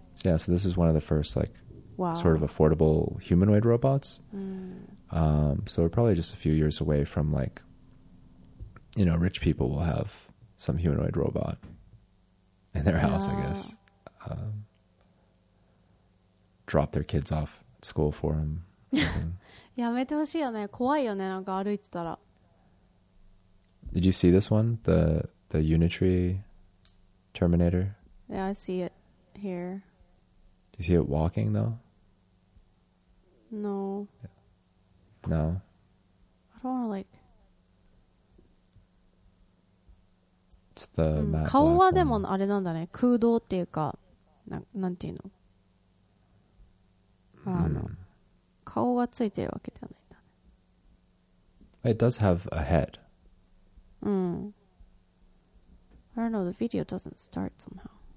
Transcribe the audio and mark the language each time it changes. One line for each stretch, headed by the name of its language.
English: Yeah, so this is one of the first like sort of affordable humanoid robots. So we're probably just a few years away from like, you know, rich people will have some humanoid robot in their house, I guess. Drop their kids off at school for them.
Japanese: やめてほしいよね。怖いよね、なんか歩いてたら。
English: Did you see this one? The Unitree Terminator? Yeah, I see it here. Do you see it walking, though? No. Yeah. No? I don't want to, like... It's the matte black one.
Japanese: 顔はでもあれなんだね。空洞っていうか、なんていうの? あの、顔がついてるわけではないんだね。
English: It does have a head. Mm. I don't know, the video doesn't start somehow.